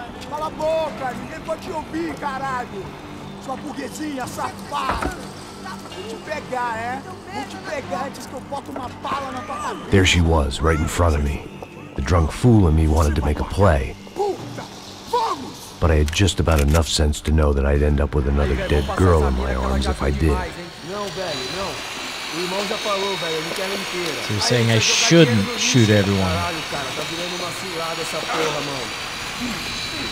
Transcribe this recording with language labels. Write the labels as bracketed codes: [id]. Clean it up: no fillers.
[pt] Cala a boca, ninguém pode te ouvir, caralho. Sua burguesinha, safada. Vou te pegar, é? Vou te pegar antes que eu bote uma bala na tua cabeça. [en] There she was, right in front of me. The drunk fool in me wanted to make a play. [pt] Puta, vamos! [en] But I had just about enough sense to know that I'd end up with another dead girl in my arms if I did. [pt] Não, velho, não. O irmão já falou, velho, ele quer mentir. [en] So you're saying I shouldn't shoot everyone. [pt] Caralho, cara, tá virando uma cilada essa porra, mano.